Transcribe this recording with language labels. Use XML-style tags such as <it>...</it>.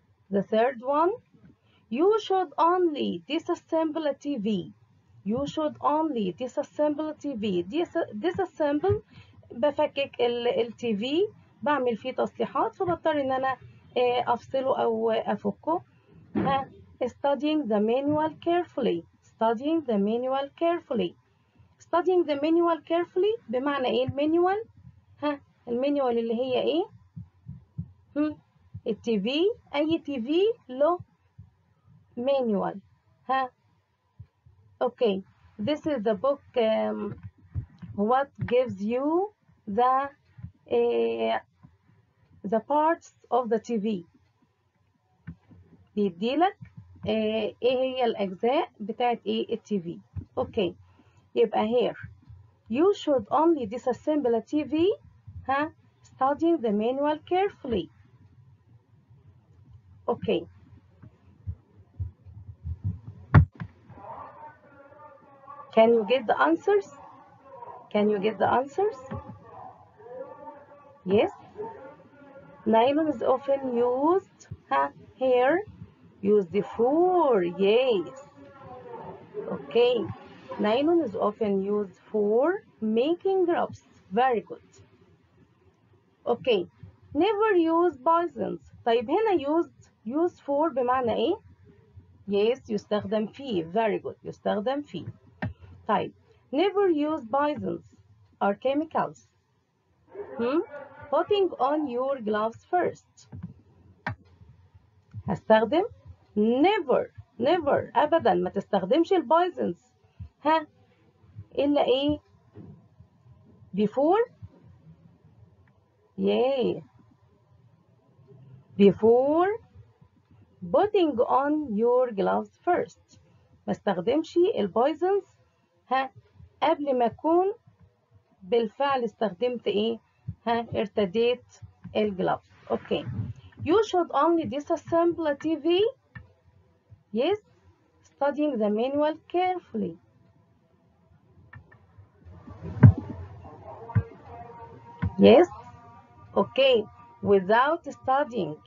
<en>the third one، you should only disassemble a TV، you should only disassemble a TV، disassemble</en> <ar>بفكك ال تي في، بعمل فيه تصليحات، فبضطر ان انا افصله او افكه. ها،</ar> <en>studying the manual carefully،</en> <ar>studying the manual carefully، studying the manual carefully بمعنى ايه؟ المانيوال، ها، المانيوال اللي هي ايه، التي في، اي تي في له مانيوال، ها.</ar> <en>Okay, this is the book what gives you the the parts of the TV.</en> <ar>بيدي لك ايه هي الاجزاء بتاعت ايه TV.</ar> <en>Okay يبقى here you should only disassemble a TV studying the manual carefully. Okay can you get the answers? Can you get the answers? Yes. Nylon is often used here. Used for. Yes. Okay. Nylon is often used for making ropes. Very good. Okay. Never use poisons.</en> <ar>طيب هنا</ar> <en>used for</en> <ar>بمعنى ايه? Yes. يستخدم فيه.</ar> <en>Very good.</en> <ar>يستخدم فيه. طيب.</ar> <en>Never use poisons or chemicals. Putting on your gloves first.</en> <ar>هستخدم</ar> <en>never never</en> <ar>ابدا ما تستخدمش البويزنز ها الا ايه</ar> <en>before yeah before putting on your gloves first.</en> <ar>ما استخدمش البويزنز ها قبل ما اكون بالفعل استخدمت ايه ارتديت الجلاف.</ar> <en>Okay you should only disassemble a TV yes studying the manual carefully. Yes okay without studying.</en>